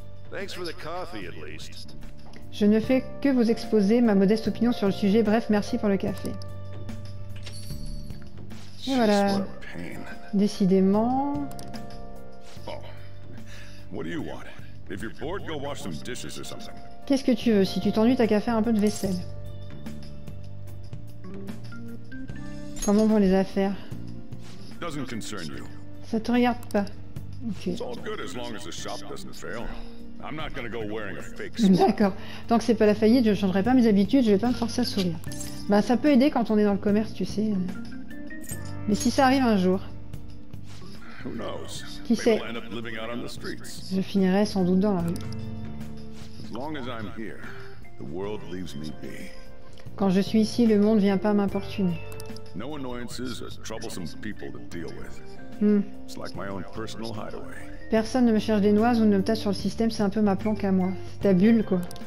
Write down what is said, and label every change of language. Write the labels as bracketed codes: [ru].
[en] Thanks for the coffee, at least. [fr] Je ne fais que vous exposer ma modeste opinion sur le sujet. Bref, merci pour le café. Et voilà. Décidément. [en] Oh. What do you want? If you're bored, go wash some dishes or something. [fr] Qu'est-ce que tu veux? Si tu t'ennuies, t'as qu'à faire un peu de vaisselle. Comment vont les affaires? [en] Doesn't concern you. [fr] Ça te regarde pas. Ok. [en] It's all good as long as the shop doesn't fail. I'm not gonna go wearing a fake smile. D'accord. [fr] Tant que c'est pas la faillite, je ne changerai pas mes habitudes, je vais pas me forcer à sourire. Bah ça peut aider quand on est dans le commerce, tu sais. Mais si ça arrive un jour. [en] Who knows? [fr] Qui sait? [en] End up living out on the streets. [fr] Je finirai sans doute dans la rue. [en] As long as I'm here, the world leaves me be. [fr] Quand je suis ici, le monde vient pas m'importuner. [en] No annoyances or troublesome people to deal with. It's like my own personal hideaway. [fr] Personne ne me cherche des noises ou ne me tasse sur le système, c'est un peu ma planque à moi. C'est ta bulle, quoi.